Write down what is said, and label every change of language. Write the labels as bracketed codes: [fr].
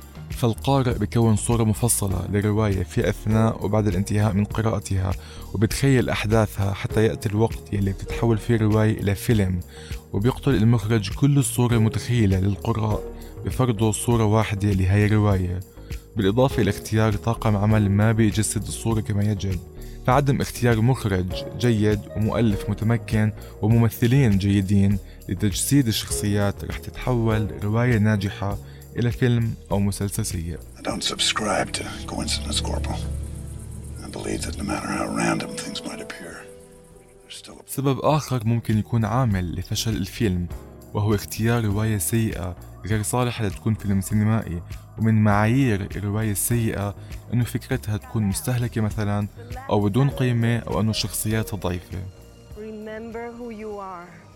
[ar] فالقارئ بيكون صورة مفصلة للرواية في أثناء وبعد الانتهاء من قراءتها، وبتخيل أحداثها حتى يأتي الوقت يلي بتتحول فيه الرواية إلى فيلم، وبيقتل المخرج كل الصورة المتخيلة للقراء بفرضه صورة واحدة لهي الرواية، بالإضافة إلى اختيار طاقم عمل ما بيجسد الصورة كما يجب. فعدم اختيار مخرج جيد ومؤلف متمكن وممثلين جيدين لتجسيد الشخصيات رح تتحول رواية ناجحة إلى فيلم أو مسلسل سيء. [en] I don't subscribe to coincidence, Corporal. I believe that no matter how random things might appear, there's still. [ar] سبب آخر ممكن يكون عامل لفشل الفيلم، وهو اختيار رواية سيئة غير صالحة لتكون فيلم سينمائي. ومن معايير الرواية السيئة أنه فكرتها تكون مستهلكة مثلاً، أو بدون قيمة، أو أنه شخصياتها ضعيفة. [en] Remember who you are.